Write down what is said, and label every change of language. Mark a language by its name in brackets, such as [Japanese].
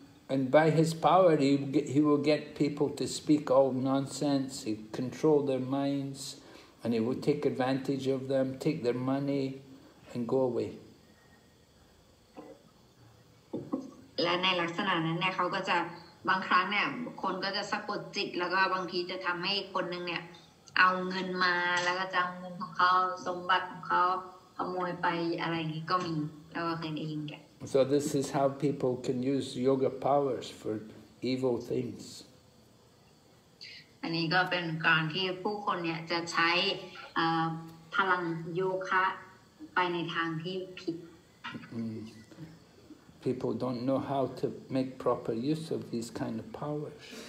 [English] And by his power, he will get people to speak all nonsense. He control their minds, and he will take advantage of them, take their money, and go away. [Thai] และในลักษณะนั้นเนี่ยเขาก็จะบางครั้งเนี่ยคนก็จะสะกดจิตแล้วก็บางทีจะทำให้คนนึงเนี่ยเอาเงินมาแล้วก็จะเอาเงินของเขาสมบัติของเขาขโมยไปอะไรอย่างนี้ก็มีแล้วก็เคยได้ยินแก [English] So this is how people can use yoga powers for evil things [Thai] อันนี้ก็เป็นการที่ผู้คนเนี่ยจะใช้พลังโยคะไปในทางที่ผิด [English] People don't know how to make proper use of these kind of powers.